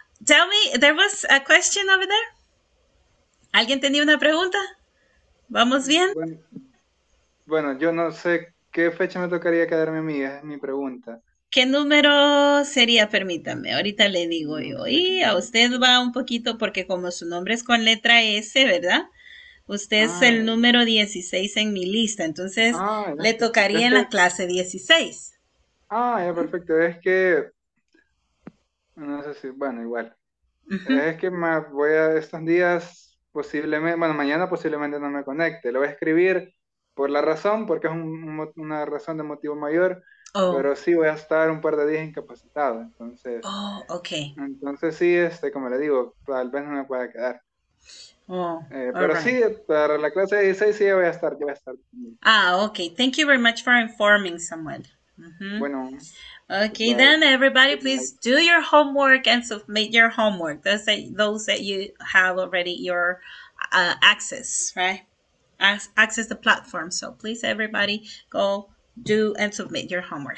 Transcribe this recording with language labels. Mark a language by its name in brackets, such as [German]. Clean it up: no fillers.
[English] Tell me, there was a question over there. [Spanish] ¿Alguien tenía una pregunta? ¿Vamos bien? Bueno, yo no sé qué fecha me tocaría quedarme a mí, es mi pregunta. ¿Qué número sería? Permítame, ahorita le digo yo. Y a usted va un poquito porque como su nombre es con letra S, ¿verdad? Usted es el número 16 en mi lista, entonces le tocaría en la clase 16. Ah, ya, perfecto. Es que, no sé si, bueno, igual. Uh-huh. Es que me voy a estos días, posiblemente, bueno, mañana posiblemente no me conecte. Lo voy a escribir por la razón, porque es una razón de motivo mayor. Oh. Pero sí voy a estar un par de días incapacitado, entonces. [English] Oh, okay. [Spanish] Entonces sí, como le digo, tal vez no me pueda quedar. Oh, pero [English] right. [Spanish] Sí, para la clase 16 sí voy a estar, yo voy a estar. [English] Ah, okay. Thank you very much for informing, Samuel. [Spanish] Mm-hmm. Bueno. [English] Okay, bye. Then everybody, please do your homework and submit your homework. Those that you have already your access, right? Access the platform. So please, everybody, go do and submit your homework.